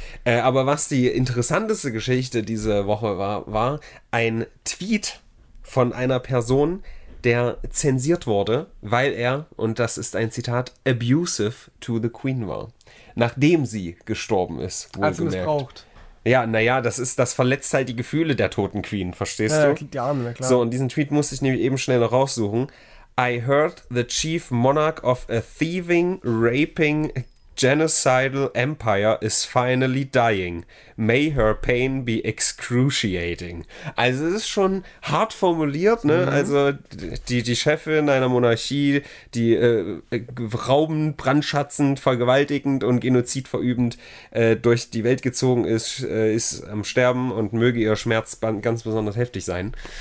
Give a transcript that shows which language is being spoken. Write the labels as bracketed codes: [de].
[de] Aber was die interessanteste Geschichte diese Woche war, war ein Tweet von einer Person, der zensiert wurde, weil er, und das ist ein Zitat, [en] abusive to the Queen [de] war. Nachdem sie gestorben ist, wohlgemerkt. Also missbraucht. Ja, naja, das verletzt halt die Gefühle der toten Queen, verstehst du? Die Arme, klar. So, und diesen Tweet musste ich nämlich eben schnell noch raussuchen. [en] I heard the chief monarch of a thieving, raping, genocidal empire is finally dying. May her pain be excruciating. [de] Also es ist schon hart formuliert, ne? Also die Chefin einer Monarchie, die raubend, brandschatzend, vergewaltigend und genozidverübend durch die Welt gezogen ist, ist am Sterben und möge ihr Schmerz ganz besonders heftig sein.